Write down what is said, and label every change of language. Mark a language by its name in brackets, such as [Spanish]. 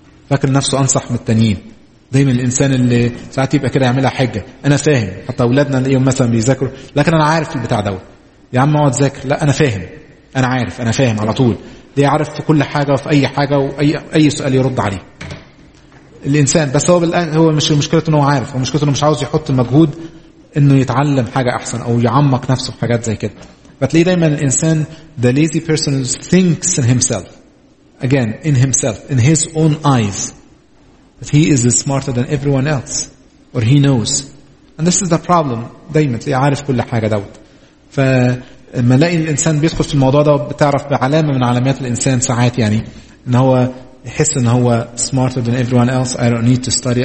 [Arabic] فاكر نفسه أنصح من التانيين. دايما الإنسان اللي ساعات يبقى كده يعملها حجة, أنا فاهم, حتى أولادنا اليوم مثلا بيذاكروا, لكن أنا عارف البتاع دوت يا عم اقعد ذاكر, لا أنا فاهم, أنا عارف, أنا فاهم على طول, دي عارف في كل حاجة وفي أي حاجة وأي سؤال يرد عليه الإنسان. بس هو مش مشكلته أنه عارف, ومشكلته أنه مش عاوز يحط مجهود أنه يتعلم حاجة أحسن أو يعمق نفسه في حاجات زي كده. فتلاقي دايما الإنسان [English] the lazy person thinks in himself, again in himself, in his own eyes, that he is smarter than everyone else, or he knows. And this is the problem. [Arabic] دايما عارف كل حاجة دوت. فما لقي الإنسان بيدخل في الموضوع ده, بتعرف بعلامة من علامات الإنسان ساعات, يعني إن هو يحس إن هو [English] smarter than everyone else. I don't need to study.